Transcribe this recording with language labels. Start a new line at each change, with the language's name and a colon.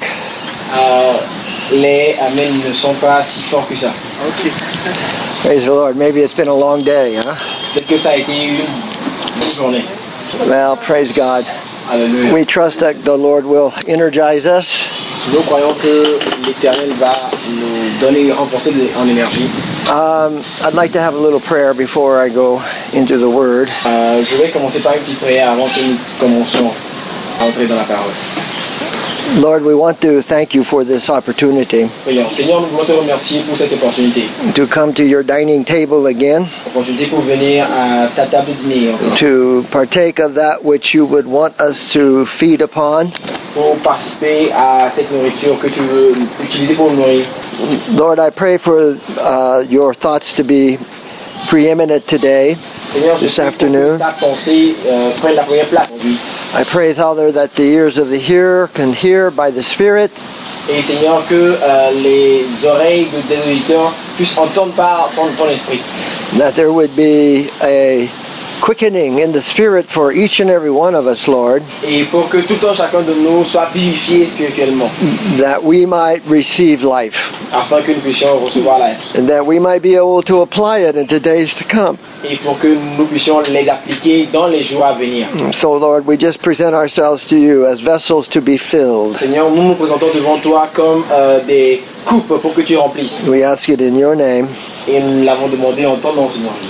French: Les amen ne sont pas si forts que ça.
English: Okay. Praise the Lord. Maybe it's been a long day, huh?
French: Peut-être que ça a été une bonne journée.
English: Well, praise God. Hallelujah. We trust that the Lord will energize us.
French: Nous croyons que l'Éternel va nous donner une renforcée en énergie.
English: I'd like to have a little prayer before I go into the Word.
French: Je vais commencer par une petite prière avant que nous commencions à entrer dans la parole.
English: Lord, we want to thank you for this opportunity.
French: Prions. Seigneur, nous voulons te remercier pour cette opportunité.
English: To come to your dining table again.
French: L'opportunité pour venir à ta table de dîner.
English: To partake of that which you would want us to feed upon.
French: Pour participer à cette nourriture que tu veux utiliser pour nourrir.
English: Lord, I pray for your thoughts to be preeminent today, this afternoon. I pray, Father, that the ears of the hearer can hear by the Spirit.
French: Et Seigneur, que les oreilles de tes auditeurs puissent entendre par ton esprit.
English: That there would be a quickening in the Spirit for each and every one of us, Lord.
French: Et pour que tout un chacun de nous soit vivifié spirituellement.
English: That we might receive life.
French: Afin que nous puissions recevoir la vie.
English: And that we might be able to apply it in the days to come.
French: Et pour que nous puissions les appliquer dans les jours à venir.
English: So, Lord, we just present ourselves to you as vessels to be filled.
French: Seigneur, nous nous présentons devant toi comme des coupes pour que tu remplisses.
English: We ask it in your name.
French: Et nous l'avons demandé en ton nom, Seigneur.